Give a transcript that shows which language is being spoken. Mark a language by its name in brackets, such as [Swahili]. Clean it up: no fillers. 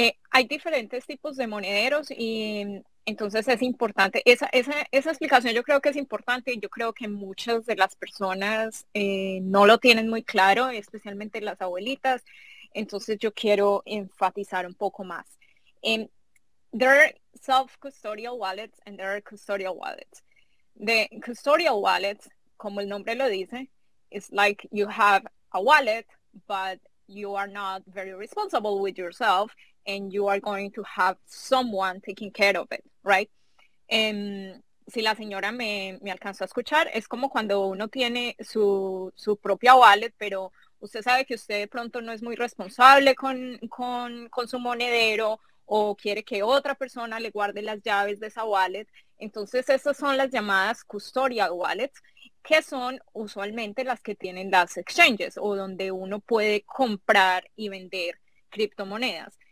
[Spanish] Hay diferentes tipos de monederos y entonces es importante, esa explicación yo creo que es importante, y yo creo que muchas de las personas no lo tienen muy claro, especialmente las abuelitas, entonces yo quiero enfatizar un poco más. [English] There are self-custodial wallets and there are custodial wallets. The custodial wallets, [Spanish] como el nombre lo dice, [English] it's like you have a wallet, but you are not very responsible with yourself, and you are going to have someone taking care of it, right? [Spanish] Si la señora me alcanzó a escuchar, es como cuando uno tiene su propia wallet, pero usted sabe que usted de pronto no es muy responsable con su monedero, o quiere que otra persona le guarde las llaves de esa wallet. Entonces, esas son las llamadas custodial wallets, que son usualmente las que tienen las exchanges, o donde uno puede comprar y vender criptomonedas.